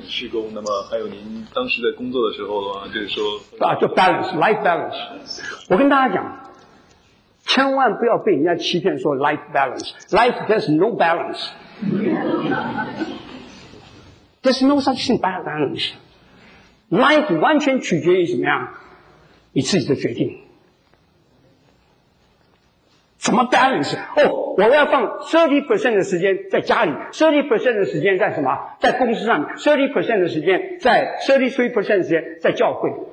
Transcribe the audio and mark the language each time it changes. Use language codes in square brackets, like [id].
[zh] 很多在教会的施工，那么还有您当时在工作的时候的话，就是说啊，就 [en] balance life balance。 [zh] 我跟大家讲，千万不要被人家欺骗说 [en] life balance， life there's no balance， there's no such thing balance。 [zh] life 完全取决于什么样，你自己的决定。怎么 balance？哦，我要放 30% 的时间在家里， 30% 的时间在什么？在公司上， 30% 的时间在 33% 的时间在教会。